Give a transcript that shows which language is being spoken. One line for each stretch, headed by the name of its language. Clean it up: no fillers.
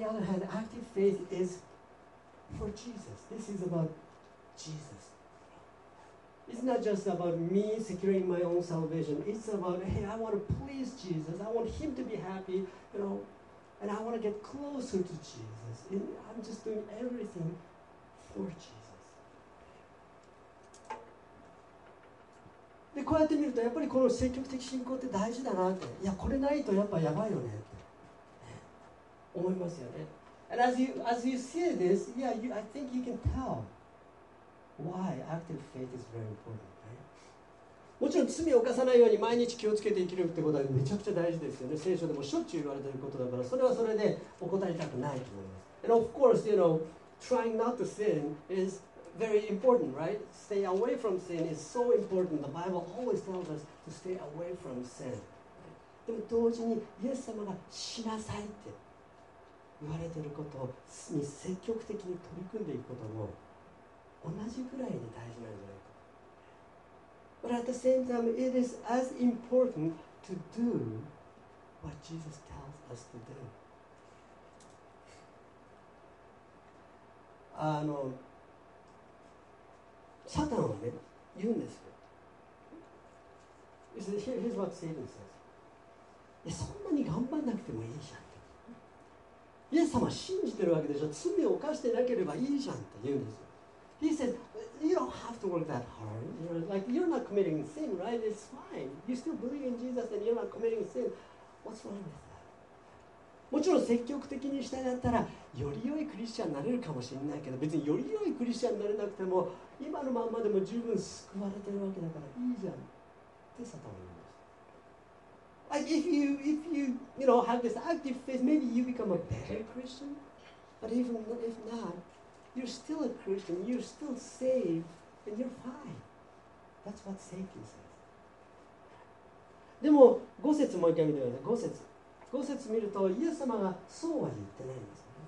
English: But on the other hand, active faith is for Jesus. This is about Jesus. It's not just about me securing my own salvation. It's about, hey, I want to please Jesus. I want him to be happy, you know, and I want to get closer to Jesus. And I'm just doing everything for Jesus.
Japanese: でこうやって見るとやっぱりこの積極的信仰って大事だなっていやこれないとやっぱやばいよねって思いますよね。
English: And as you see this, yeah, you, I think you can tell why active faith is very important, right?
Japanese: もちろん罪を犯さないように毎日気をつけて生きるってことはめちゃくちゃ大事ですよね。聖書でもしょっちゅう言われてることだからそれはそれで怠りたくないと思います。
English: And of course, you know, trying not to sin isVery important, right? Stay away from sin is so important. The Bible always tells us to stay away from sin.
Japanese: でも同時にイエス様が死なさいって言われていることに積極的に取り組んでいくことも同じくらいに大事なんじゃないか。
English: But at the same time, it is as important to do what Jesus tells us to do.
Japanese: あのサタンはね言うんですよ。
English: Here's what Satan says.
Japanese: そんなに頑張んなくてもいいじゃんって。イエス様信じてるわけでしょ。罪を犯してなければいいじゃんって言うんですよ。
English: He says, you don't have to work that hard. You're, like, you're not committing sin, right? It's fine. You still believe in Jesus and you're not committing sin. What's wrong with that?
Japanese: もちろん積極的にしたいだったらより良いクリスチャンになれるかもしれないけど、別により良いクリスチャンになれなくても今のままでも十分救われてるわけだからいいじゃんってサタンは言うんです。
English: Like, if you, you know, have this active faith, maybe you become a better Christian. But if notYou're still a Christian, you're still saved, and you're fine. That's what Satan says.
Japanese: でも、5節もう一回見てください。5節。5節見ると、イエス様がそうは言ってないんです。